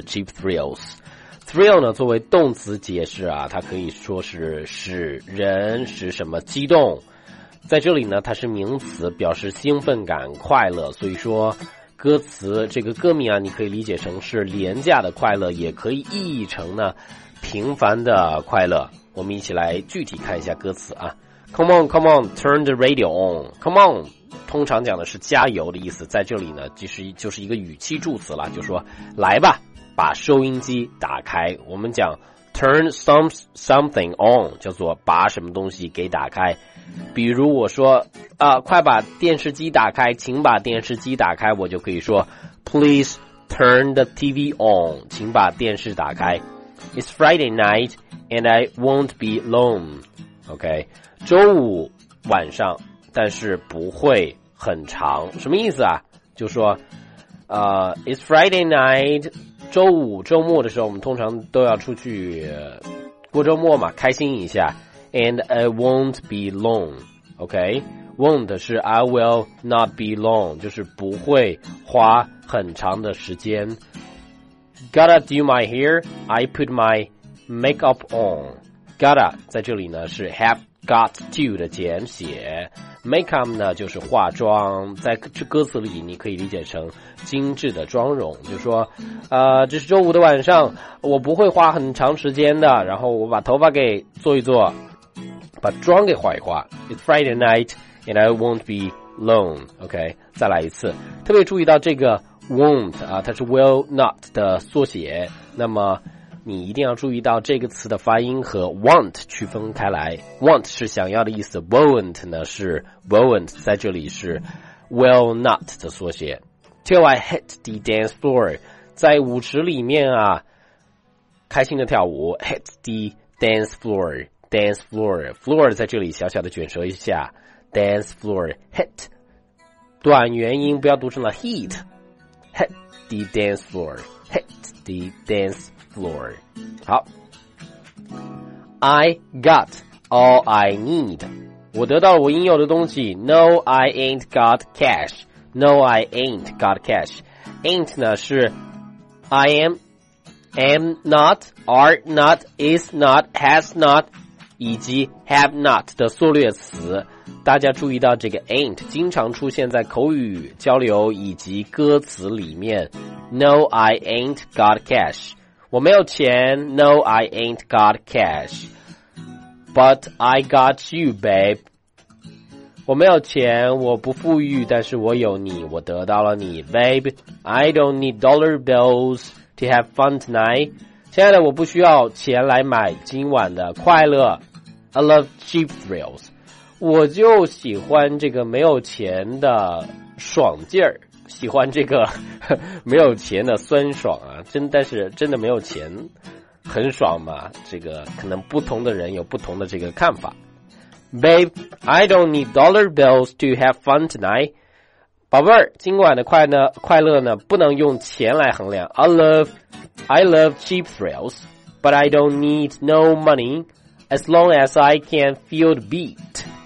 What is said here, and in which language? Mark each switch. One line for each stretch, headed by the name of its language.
Chinese: Cheap Thrills Thrill 呢，作为动词解释啊，它可以说是使人使什么激动，在这里呢它是名词，表示兴奋感、快乐。所以说歌词这个歌名啊，你可以理解成是廉价的快乐，也可以意译成呢平凡的快乐。我们一起来具体看一下歌词啊。
English: Come on, come on, turn the radio on.
Chinese: Come on 通常讲的是加油的意思，在这里呢就是一个语气助词了，就说来吧，把收音机打开。我们讲 turn something on 叫做把什么东西给打开。比如我说快把电视机打开，请把电视机打开，我就可以说
English: Please turn the TV on，
Chinese: 请把电视打开。
English: It's Friday night and I won't be alone.
Chinese: OK， 周五晚上但是不会很长，什么意思啊？就说
English: It's Friday night，
Chinese: 周五周末的时候我们通常都要出去过周末嘛，开心一下。
English: And I won't be long.
Chinese: OK, won't 是
English: I will not be long，
Chinese: 就是不会花很长的时间。
English: Gotta do my hair, I put my makeup on.
Chinese: Gotta 在这里呢是
English: have got to
Chinese: 的简写， makeup 呢就是化妆，在这歌词里你可以理解成精致的妆容，就说这是周五的晚上，我不会花很长时间的，然后我把头发给做一做，把妆给画一画。
English: It's Friday night and I won't be alone.
Chinese: OK， 再来一次。特别注意到这个 won't 啊，它是 will not 的缩写，那么你一定要注意到这个词的发音和 want 区分开来。 want 是想要的意思， won't 呢是 won't， 在这里是 will not 的缩写。
English: Till I hit the dance floor，
Chinese: 在舞池里面啊开心的跳舞。
English: Hit the dance floorDance floor, floor 在这里小小的卷舌一下， dance floor, hit 短元音不要读成了 heat， hit the dance floor, hit the dance floor.
Chinese: 好，
English: I got all I need，
Chinese: 我得到了我应有的东西。
English: No, I ain't got cash. No, I ain't got cash.
Chinese: Ain't 呢是 I am not, are not, is not, has not以及 have not 的缩略词。大家注意到这个 ain't 经常出现在口语交流以及歌词里面。
English: No, I ain't got cash，
Chinese: 我没有钱。
English: No, I ain't got cash， But I got you, babe，
Chinese: 我没有钱，我不富裕，但是我有你，我得到了你。
English: Babe, I don't need dollar bills to have fun tonight，
Chinese: 亲爱的，我不需要钱来买今晚的快乐。
English: I love cheap thrills，
Chinese: 我就喜欢这个没有钱的爽劲儿，喜欢这个没有钱的酸爽啊！但是真的没有钱很爽嘛？这个可能不同的人有不同的这个看法。
English: Babe, I don't need dollar bills to have fun tonight，
Chinese: 宝贝儿，今晚的快乐呢不能用钱来衡量。
English: I love cheap thrills, but I don't need no money as long as I can feel the beat.